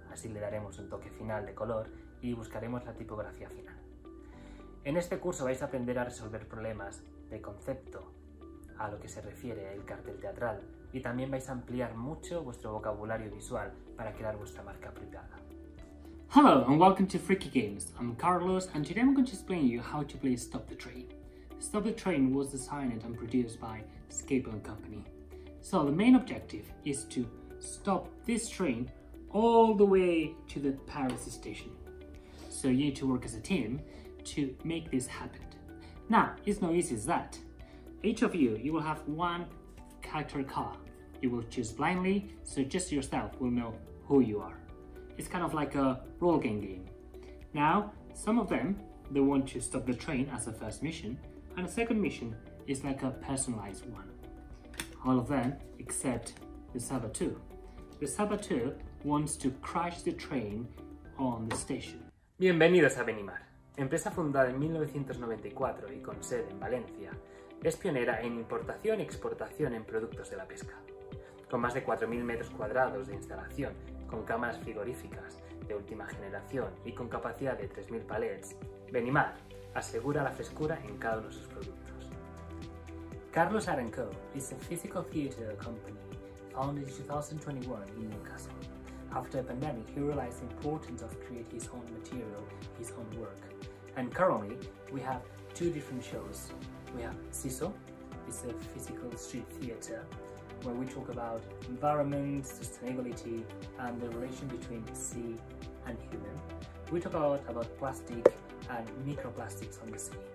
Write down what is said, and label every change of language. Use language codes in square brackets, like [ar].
[es] Así le daremos un toque final de color y buscaremos la tipografía final. En este curso vais a aprender a resolver problemas de concepto a lo que se refiere el cartel teatral y también vais a ampliar mucho vuestro vocabulario visual para crear vuestra marca privada. [en] Hello and welcome to Freaky Games. I'm Carlos and today I'm going to explain you how to play Stop the Train. Stop the Train was designed and produced by Skateboard Company. So the main objective is to stop this train all the way to the Paris station. So you need to work as a team to make this happen. Now, it's not easy as that. Each of you will have one character color. You will choose blindly, so just yourself will know who you are. It's kind of like a role game game. Now, some of them, they want to stop the train as a first mission, and a second mission is like a personalized one. All of them, except the saboteur. The saboteur wants to crash the train on the station. [es] Bienvenidos a Benimar. Empresa fundada en 1994 y con sede en Valencia, es pionera en importación y exportación en productos de la pesca. Con más de 4.000 metros cuadrados de instalación, con cámaras frigoríficas de última generación y con capacidad de 3.000 palets, Benimar asegura la frescura en cada uno de sus productos. [en] Carlos Arenco is a physical theatre company founded in 2021 in Newcastle. After the pandemic, he realized the importance of creating his own material, his own work. And currently, we have two different shows. We have CISO, it's a physical street theater, where we talk about environment, sustainability, and the relation between sea and human. We talk a lot about plastic and microplastics on the sea.